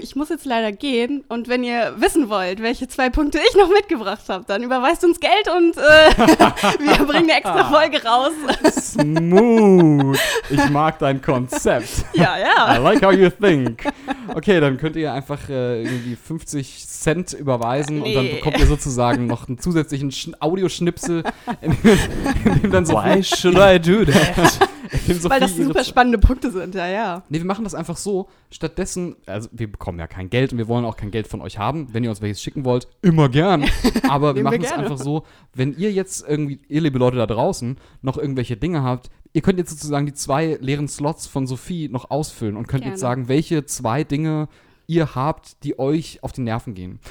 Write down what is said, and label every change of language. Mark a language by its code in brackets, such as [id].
[de] Ich muss jetzt leider gehen. Und wenn ihr wissen wollt, welche zwei Punkte ich noch mitgebracht habe, dann überweist uns Geld und wir bringen eine extra Folge raus. Smooth. Ich mag dein Konzept. Ja, ja. [en] I like how you think. [de] Okay, dann könnt ihr einfach irgendwie 50 Cent überweisen und dann bekommt ihr sozusagen noch einen zusätzlichen Audioschnipsel in indem dann so [en] why should I do that? [de] Weil das super spannende Punkte sind, ja, ja. Nee, wir machen das einfach so. Stattdessen, also wir bekommen ja kein Geld und wir wollen auch kein Geld von euch haben. Wenn ihr uns welches schicken wollt, immer gern. Aber wir machen es einfach so, wenn ihr jetzt irgendwie, ihr liebe Leute da draußen, noch irgendwelche Dinge habt, ihr könnt jetzt sozusagen die zwei leeren Slots von Sophie noch ausfüllen und könnt jetzt sagen, welche zwei Dinge ihr habt, die euch auf die Nerven gehen.